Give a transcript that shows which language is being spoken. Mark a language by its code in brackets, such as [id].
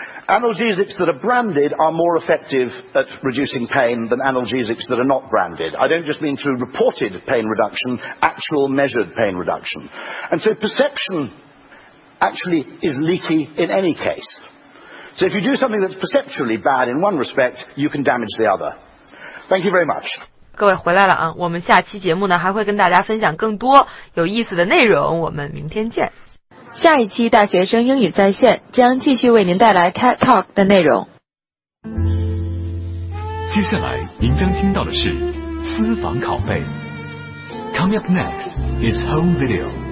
[en] Analgesics that are branded are more effective at reducing pain than analgesics that are not branded. I don't just mean through reported pain reduction, actual measured pain reduction. And so perception actually is leaky in any case. So if you do something that's perceptually bad in one respect, you can damage the other. Thank you very much. [zh] 各位回来了啊，我们下期节目呢，还会跟大家分享更多有意思的内容，我们明天见。下一期大学生英语在线将继续为您带来 TED Talk 的内容。接下来您将听到的是私房拷贝。 [en] Coming up next is home video.